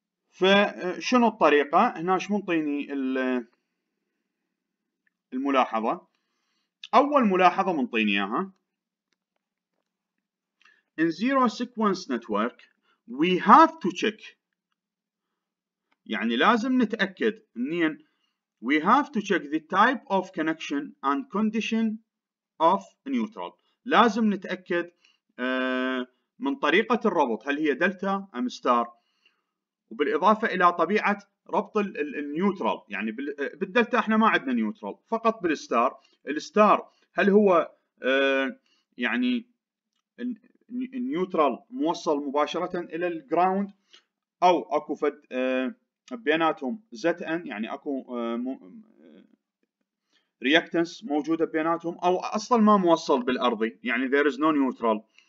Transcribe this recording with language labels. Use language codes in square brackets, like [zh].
[ar] فشنو الطريقه؟ هنا ايش منطيني الملاحظه؟ اول ملاحظه منطيني اياها ان زيرو سيكونس نتورك وي هاف تو تشيك، يعني لازم نتاكد منين. [en] We have to check the type of connection and condition of neutral. [ar] لازم نتأكد من طريقة الربط، هل هي دلتا أم ستار، وبالإضافة إلى طبيعة ربط النيوترال يعني بالدلتا احنا ما عندنا نيوترال فقط بالستار. الستار هل هو يعني النيوترال موصل مباشرة الى الجراوند او اكو فد بيناتهم زت ان يعني اكو رياكتنس موجودة بيناتهم او اصلا ما موصل بالارضي يعني [en] there is no neutral.